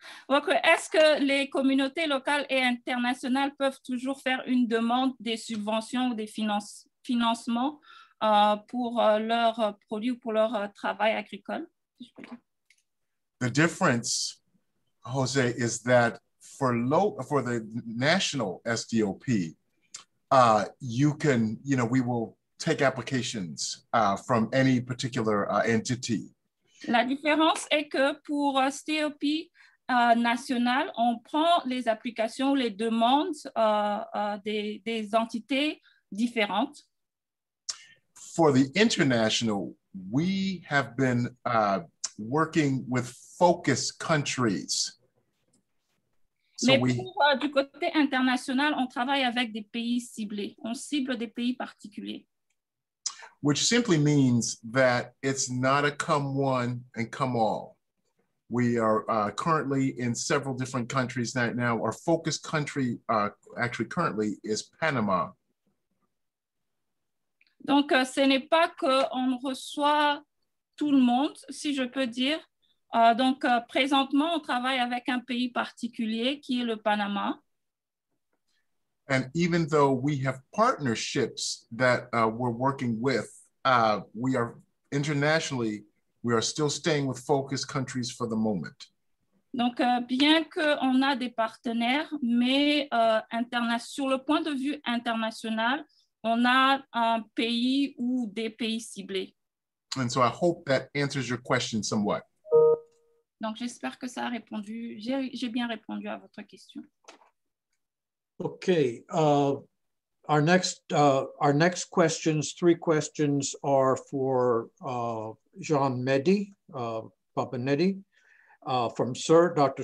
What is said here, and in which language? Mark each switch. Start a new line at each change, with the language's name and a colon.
French: Est-ce que les communautés locales et internationales peuvent toujours faire une demande des subventions ou des financements pour leur produit ou pour leur travail agricole?
English: The difference, Jose, is that for the national SDOP, we will take applications from any particular entity.
French: La différence est que pour SDOP national, on prend les applications, les demandes des entités différentes.
English: For the international, we have been working with focus countries.
French: Du côté international, on travaille avec des pays ciblés. On cible des pays particuliers.
English: Which simply means that it's not a come one and come all. We are currently in several different countries right now. Our focus country actually currently is Panama.
French: Donc, ce n'est pas qu'on reçoit tout le monde, si je peux dire. Donc, présentement, on travaille avec un pays particulier qui est le Panama.
English: And even though we have partnerships that we're working with, we are internationally, we are still staying with focus countries for the moment.
French: Donc, bien qu'on a des partenaires, mais sur le point de vue international, on a un pays ou des pays ciblés.
English: And so I hope that answers your question somewhat.
French: Donc, j'espère que ça a répondu, j'ai bien répondu à votre question.
English: Okay, our next questions, three questions are for Jean Mehdi, Papanetti, from Dr.